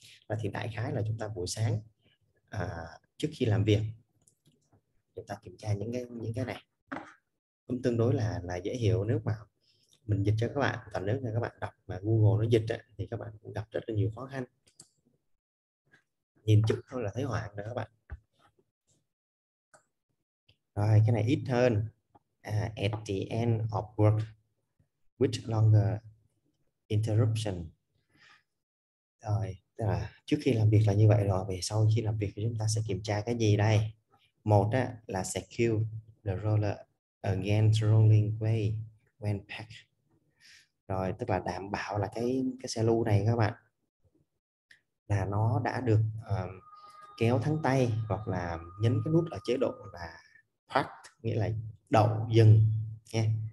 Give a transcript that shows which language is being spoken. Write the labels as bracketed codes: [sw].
[vi] Và thì đại khái là chúng ta buổi sáng trước khi làm việc chúng ta kiểm tra những cái này cũng tương đối là dễ hiểu nếu mà mình dịch cho các bạn, còn nếu như các bạn đọc mà Google nó dịch thì các bạn cũng gặp rất là nhiều khó khăn, nhìn chữ thôi là thấy hoảng nữa các bạn. Cái này ít hơn. [en] At the end of work with longer interruption. [vi] Rồi, tức là trước khi làm việc là như vậy rồi, về sau khi làm việc thì chúng ta sẽ kiểm tra cái gì đây? Một á, là [en] secure the roller against rolling away when packed. [vi] Rồi, tức là đảm bảo là cái xe lu này các bạn là nó đã được kéo thắng tay hoặc là nhấn cái nút ở chế độ là park, nghĩa là đậu dừng nha.